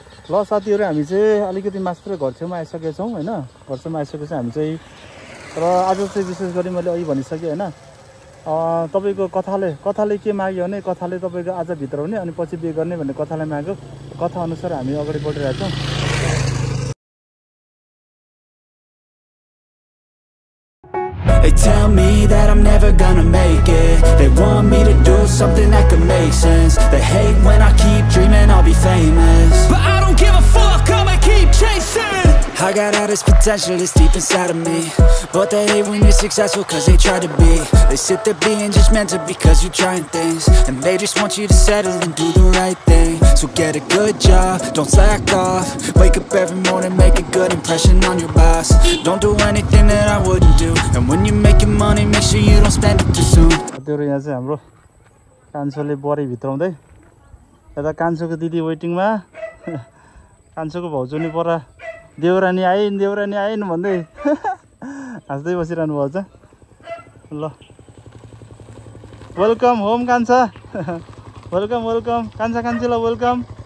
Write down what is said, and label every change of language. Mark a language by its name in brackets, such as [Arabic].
[Nepali] ल साथीहरू, हामी चाहिँ अलिकति मास्टर घर छेउमा आइसकेका छौँ होइन, घर छेउमा आइसकेपछि हामी चाहिँ, र आज चाहिँ विशेष गरी मैले अघि भनिसकेँ होइन, तपाईँको कथाले के माग्यो भने, कथाले तपाईँको आजभित्र हुने अनि पछि बिहे गर्ने भन्ने कथाले माग्यो, कथा अनुसार हामी अगाडि बढिरहेछौँ। [English] Tell me that I'm never gonna make it. They want me to do something that could make sense. They hate when I keep dreaming I'll be famous. But I don't give a fuck, I'ma keep chasing. I got all this potential that's deep inside of me. But they hate when you're successful cause they try to be. They sit there being judgmental because you're trying things. And they just want you to settle and do the right thing. So get a good job, don't slack off. Wake up every morning, make a good impression on your boss. Don't do anything that I wouldn't do. And when you make your money, make sure you don't spend it too soon. [Nepali] त्यो यहाँ चाहिँ हाम्रो कान्छोले बुहारी भित्राउँदै, यता कान्छोको दिदी वेटिङमा, कान्छोको भाउजूनी पर देउरानी आइन् भन्दै हाँस्दै बसिरहनु भएको छ। [English] ल welcome home कान्छा, welcome welcome कान्छा कान्छीलाई वेलकम।